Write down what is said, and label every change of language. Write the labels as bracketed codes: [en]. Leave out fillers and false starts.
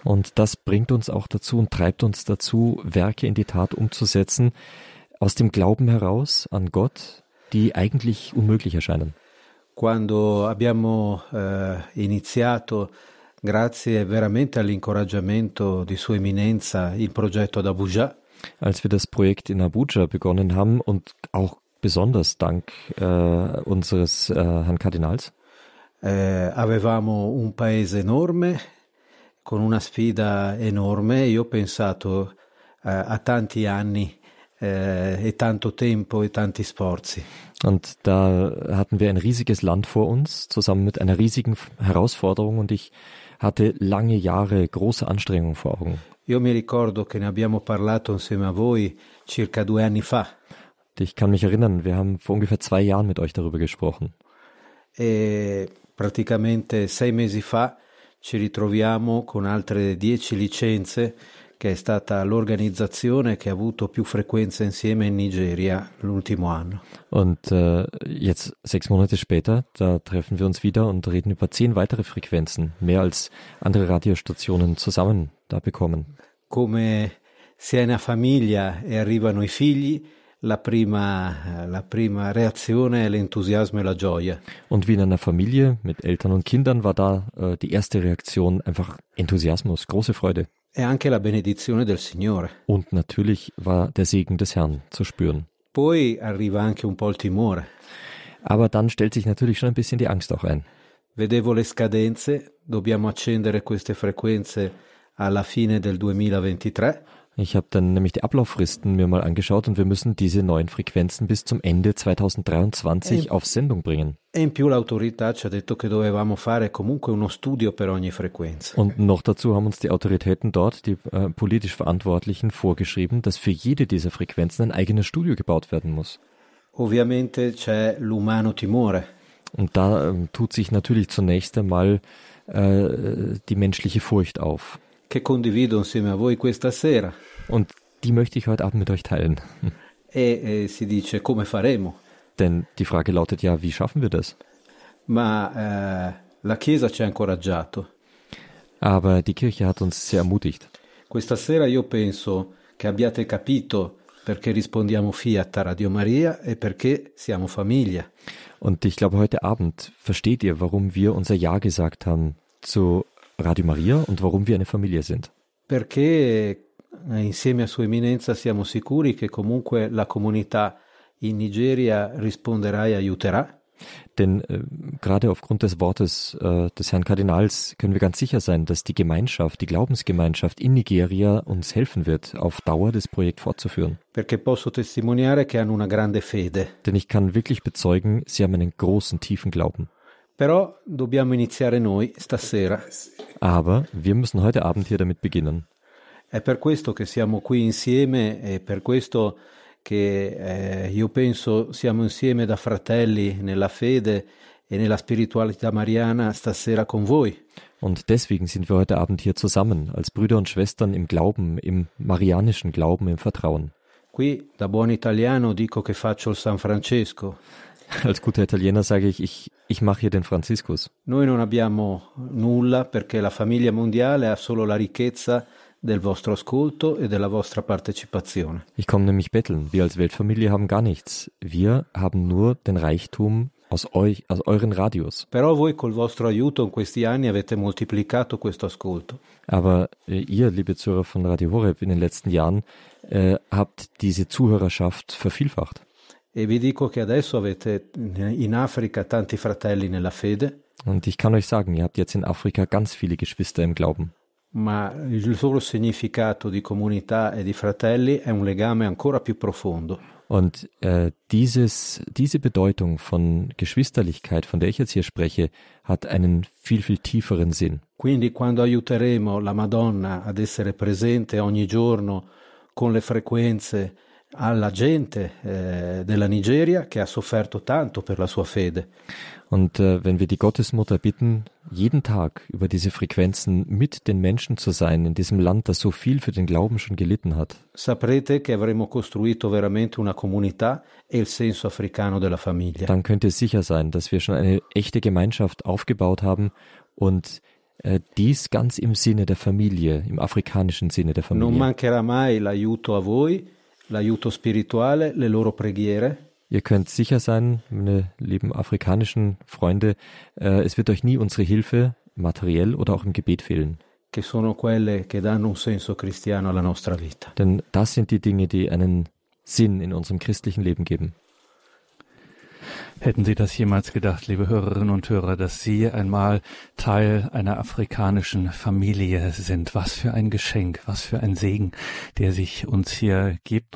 [de] Und das bringt uns auch dazu und treibt uns dazu, Werke in die Tat umzusetzen, aus dem Glauben heraus an Gott, die eigentlich unmöglich erscheinen. [it] Quando abbiamo iniziato, grazie veramente all'incoraggiamento di Sua Eminenza, il progetto ad Abuja. [de] Als wir das Projekt in Abuja begonnen haben und auch besonders dank unseres Herrn Kardinals. [it] Avevamo un paese enorme, con una sfida enorme. Io ho pensato a tanti anni e tanto tempo e tanti sforzi. [de] Und da hatten wir ein riesiges Land vor uns, zusammen mit einer riesigen Herausforderung, und ich hatte lange Jahre große Anstrengungen vor Augen. [it] Io mi ricordo che ne abbiamo parlato insieme a voi circa due anni fa. [de] Ich kann mich erinnern, wir haben vor ungefähr zwei Jahren mit euch darüber gesprochen. [it] E praticamente sei mesi fa ci ritroviamo con altre 10 licenze, che è stata l'organizzazione che ha avuto più frequenze insieme in Nigeria l'ultimo anno. [de] Und jetzt sechs Monate später, da treffen wir uns wieder und reden über 10 weitere Frequenzen, mehr als andere Radiostationen zusammen da bekommen. [it] Come si è una famiglia e arrivano i figli, la prima reazione è l'entusiasmo e la gioia. [de] Und wie in einer Familie mit Eltern und Kindern war da die erste Reaktion einfach Enthusiasmus, große Freude. [it] E anche la benedizione del Signore. [de] Und natürlich war der Segen des Herrn zu spüren. [it] Poi arriva anche un po' il timore. [de] Aber dann stellt sich natürlich schon ein bisschen die Angst auch ein. [it] Vedevo le scadenze, dobbiamo accendere queste frequenze alla fine del 2023. [de] Ich habe dann nämlich die Ablauffristen mir mal angeschaut und wir müssen diese neuen Frequenzen bis zum Ende 2023 auf Sendung bringen. [it] E in più l'autorità ci ha detto che dovevamo fare comunque uno studio per ogni frequenza. [de] Und noch dazu haben uns die Autoritäten dort, die politisch Verantwortlichen, vorgeschrieben, dass für jede dieser Frequenzen ein eigenes Studio gebaut werden muss. [it] Ovviamente c'è l'umano timore. [de] Und da tut sich natürlich zunächst einmal die menschliche Furcht auf. [it] Che condivido insieme a voi questa sera. [de] Und die möchte ich heute Abend mit euch teilen. [it] E si dice, come faremo? [de] Denn die Frage lautet ja, wie schaffen wir das? [it] Ma la Chiesa ci ha incoraggiato. [de] Aber die Kirche hat uns sehr ermutigt. [it] Questa sera io penso che abbiate capito perché rispondiamo Fiat a Radio Maria e perché siamo famiglia. [de] Und ich glaube, heute Abend versteht ihr, warum wir unser Ja gesagt haben zu Radio Maria und warum wir eine Familie sind. [it] Perché insieme a Sua Eminenza siamo sicuri che comunque la comunità in Nigeria risponderà e aiuterà. [de] Denn gerade aufgrund des Wortes des Herrn Kardinals können wir ganz sicher sein, dass die Gemeinschaft, die Glaubensgemeinschaft in Nigeria uns helfen wird, auf Dauer das Projekt fortzuführen. [it] Perché posso testimoniare che hanno una grande fede. [de] Denn ich kann wirklich bezeugen, sie haben einen großen, tiefen Glauben. [it] Però dobbiamo iniziare noi stasera. [de] Aber wir müssen heute Abend hier damit beginnen. [it] È per questo che siamo qui insieme e per questo che io penso siamo insieme da fratelli nella fede e nella spiritualità mariana stasera con voi. [de] Und deswegen sind wir heute Abend hier zusammen, als Brüder und Schwestern im Glauben, im marianischen Glauben, im Vertrauen. [it] Qui da buon italiano dico che faccio il San Francesco. [de] Als guter Italiener sage ich, ich mache hier den Franziskus. [it] Noi non abbiamo nulla perché la famiglia mondiale ha solo la ricchezza del vostro ascolto e della vostra partecipazione. [de] Ich komme nämlich betteln. Wir als Weltfamilie haben gar nichts. Wir haben nur den Reichtum aus euch, aus euren Radios. [it] Però voi col vostro aiuto in questi anni avete moltiplicato questo ascolto. [de] Aber ihr, liebe Zuhörer von Radio Horeb, in den letzten Jahren habt diese Zuhörerschaft vervielfacht. [it] E vi dico che adesso avete in Africa tanti fratelli nella fede. [de] Und ich kann euch sagen, ihr habt jetzt in Afrika ganz viele Geschwister im Glauben. [it] Ma il solo significato di comunità e di fratelli è un legame ancora più profondo. [de] Und diese Bedeutung von Geschwisterlichkeit, von der ich jetzt hier spreche, hat einen viel, viel tieferen Sinn. [it] Quindi quando aiuteremo la Madonna ad essere presente ogni giorno con le frequenze alla gente della Nigeria che ha sofferto tanto per la sua fede. [de] Und wenn wir die Gottesmutter bitten, jeden Tag über diese Frequenzen mit den Menschen zu sein in diesem Land, das so viel für den Glauben schon gelitten hat. [it] Saprete che avremo costruito veramente una comunità e il senso africano della famiglia. [de] Dann könnt ihr sicher sein, dass wir schon eine echte Gemeinschaft aufgebaut haben und dies ganz im Sinne der Familie, im afrikanischen Sinne der Familie. [it] Non mancherà mai l'aiuto a voi, l'aiuto spirituale, le loro preghiere. [de] Ihr könnt sicher sein, meine lieben afrikanischen Freunde, es wird euch nie unsere Hilfe, materiell oder auch im Gebet fehlen. [it] Che sono quelle che danno un senso cristiano alla nostra vita. [de] Denn das sind die Dinge, die einen Sinn in unserem christlichen Leben geben. Hätten Sie das jemals gedacht, liebe Hörerinnen und Hörer, dass Sie einmal Teil einer afrikanischen Familie sind? Was für ein Geschenk, was für ein Segen, der sich uns hier gibt.